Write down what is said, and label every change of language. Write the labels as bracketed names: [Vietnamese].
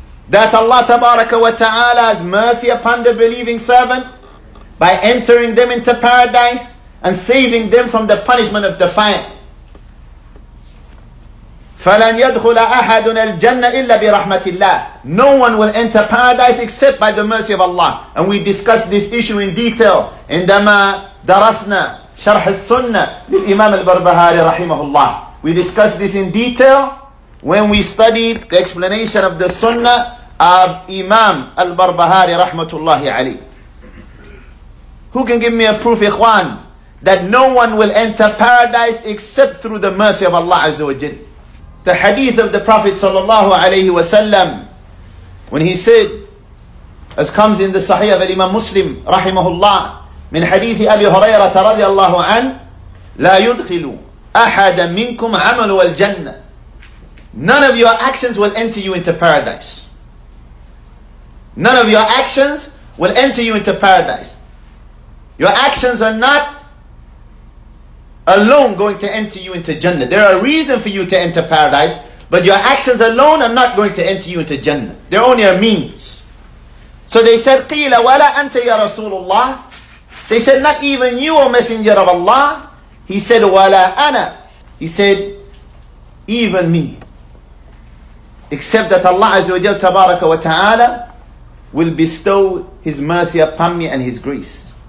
[English] That Allah Tabaraka wa Ta'ala has mercy upon the believing servant by entering them into paradise and saving them from the punishment of the fire. [Arabic] فَلَنْ يَدْخُلَ أَحَدُنَا الْجَنَّةِ إِلَّا بِرَحْمَةِ اللَّهِ. [English] No one will enter paradise except by the mercy of Allah. And we discussed this issue in detail [Arabic] عندما درسنا شرح السنة للإمام البربهاري رحمه الله. [English] We discussed this in detail when we studied the explanation of the Sunnah of Imam Al-Barbahari rahmatullahi alayh. Who can give me a proof, ikhwan, that no one will enter paradise except through the mercy of Allah Azza wa Jal? The hadith of the Prophet sallallahu alayhi wa sallam, when he said, as comes in the Sahih of Imam Muslim rahimahullah, min hadith Abi Hurairah radiyallahu an, [Arabic] la yudkhilu ahada minkum amal wal jannah. [English] None of your actions will enter you into paradise. None of your actions will enter you into paradise. Your actions are not alone going to enter you into Jannah. There are reasons for you to enter paradise, but your actions alone are not going to enter you into Jannah. They're only a means. So they said, [Arabic] قِيلَ وَلَا أَنْتَ يَا رَسُولُ اللَّهِ. [English] They said, not even you, O Messenger of Allah. He said, [Arabic] وَلَا أَنَا. [English] He said, even me. Except that Allah Azza wa Jal Tabaraka wa Ta'ala will bestow His mercy upon me and His grace.